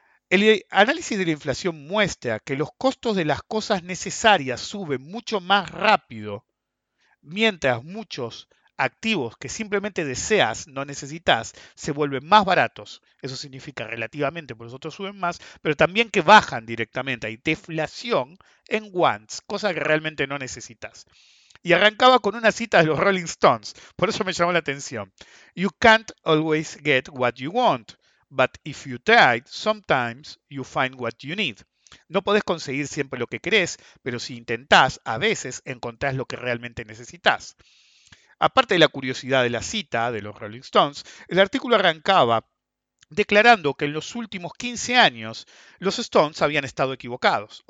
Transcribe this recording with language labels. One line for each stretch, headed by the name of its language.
Spanish: El análisis de la inflación muestra que los costos de las cosas necesarias suben mucho más rápido, mientras muchos activos que simplemente deseas, no necesitas, se vuelven más baratos. Eso significa relativamente, por nosotros suben más, pero también que bajan directamente. Hay deflación en wants, cosas que realmente no necesitas. Y arrancaba con una cita de los Rolling Stones, por eso me llamó la atención.
English: You can't always get what you want, but if you try, sometimes you find what you need.
Spanish: No podés conseguir siempre lo que querés, pero si intentás, a veces encontrás lo que realmente necesitas. Aparte de la curiosidad de la cita de los Rolling Stones, el artículo arrancaba declarando que en los últimos 15 años los Stones habían estado equivocados.